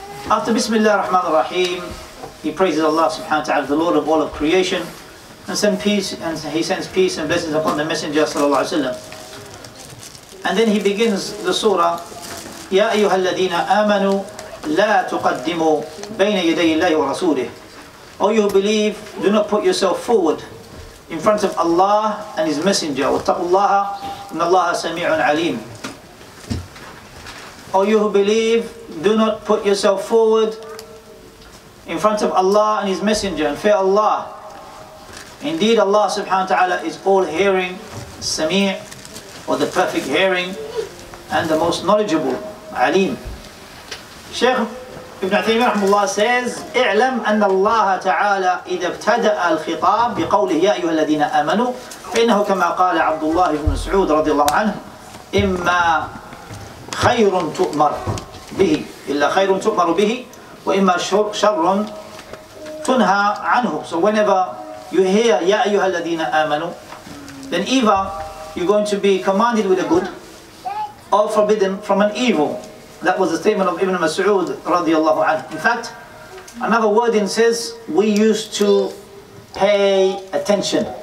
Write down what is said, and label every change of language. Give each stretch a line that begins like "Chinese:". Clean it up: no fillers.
English: After Bismillah ar-Rahman ar-Rahim, he praises Allah subhanahu wa ta'ala, the Lord of all of creation, and he sends peace and blessings upon the Messenger sallallahu alayhi wa sallam. And then he begins the surah,
Arabic: يَا أَيُّهَا الَّذِينَ آمَنُوا لَا تُقَدِّمُوا بَيْنَ يَدَيِ اللَّهِ وَرَسُولِهِ.
English: All you who believe, do not put yourself forward in front of Allah and His Messenger.
Arabic: وَاتَّقُوا اللَّهَ إِنَّ اللَّهَ سَمِيعٌ عَلِيمٌ.
English: O you who believe, do not put yourself forward in front of Allah and His Messenger and fear Allah. Indeed, Allah subhanahu wa ta'ala is all hearing, sami', or the perfect hearing, and the most knowledgeable, alim. Shaykh Ibn Uthaymeen rahimahullah says,
Arabic: اعلم أن الله تعالى إذا ابتدأ الخطاب بقوله يا أيها الذين آمنوا فإنه كما قال عبد الله بن مسعود رضي الله عنه إما خير تؤمر به إلا خير تؤمر به وإما شر تنهى عنه.
English: So whenever you hear
Arabic: يا أيها الذين آمنوا,
English: then either you're going to be commanded with a good or forbidden from an evil. That was the statement of Ibn Mas'ud رضي الله عنه. In fact, another wording says we used to pay attention.